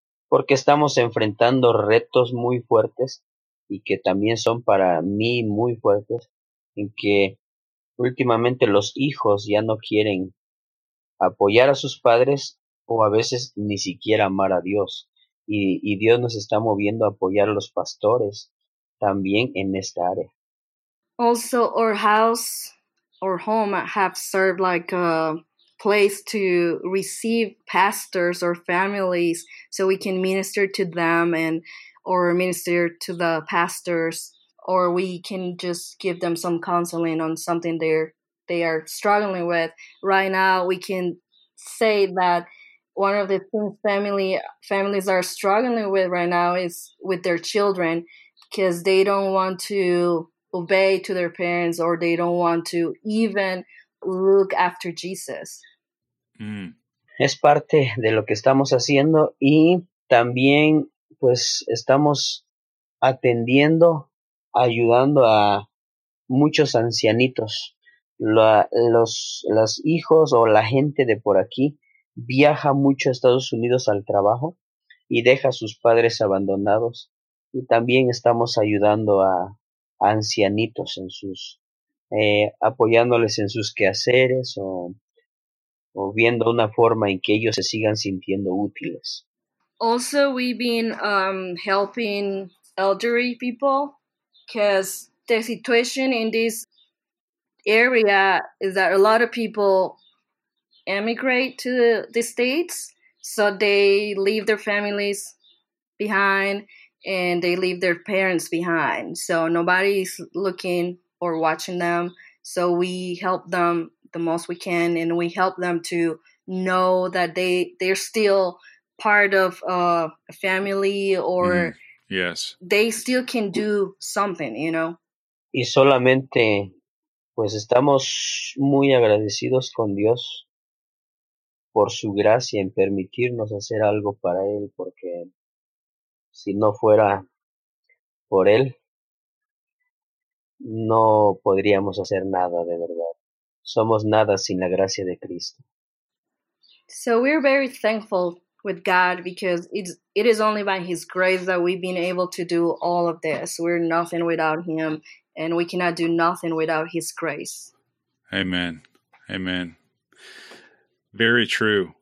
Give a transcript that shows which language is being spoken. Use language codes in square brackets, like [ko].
[es] porque estamos enfrentando retos muy fuertes y que también son para mí muy fuertes, en que últimamente los hijos ya no quieren apoyar a sus padres o a veces ni siquiera amar a Dios. Y Dios nos está moviendo a apoyar a los pastores también en esta área. [en] Also, our house or home have served like a place to receive pastors or families so we can minister to them and or minister to the pastors, or we can just give them some counseling on something they are struggling with. Right now, we can say that one of the things families are struggling with right now is with their children, because they don't want to obey to their parents, or they don't want to even look after Jesus. Mm. [es] Es parte de lo que estamos haciendo, y también pues estamos atendiendo, ayudando a muchos ancianitos. Los hijos o la gente de por aquí viaja mucho a Estados Unidos al trabajo y deja a sus padres abandonados. Y también estamos ayudando a ancianitos en sus, apoyándoles en sus quehaceres o viendo una forma en que ellos se sigan sintiendo útiles. [en] Also, we've been helping elderly people, because the situation in this area is that a lot of people emigrate to the States, so they leave their families behind and they leave their parents behind. So nobody's looking or watching them. So we help them the most we can, and we help them to know that they're still part of a family, or yes, they still can do something, you know. [es] Y solamente, pues estamos muy agradecidos con Dios por su gracia en permitirnos hacer algo para Él, porque si no fuera por Él, no podríamos hacer nada de verdad. Somos nada sin la gracia de Cristo. [en] So we're very thankful with God, because it is only by His grace that we've been able to do all of this. We're nothing without Him, and we cannot do nothing without His grace. Amen. Amen. Very true.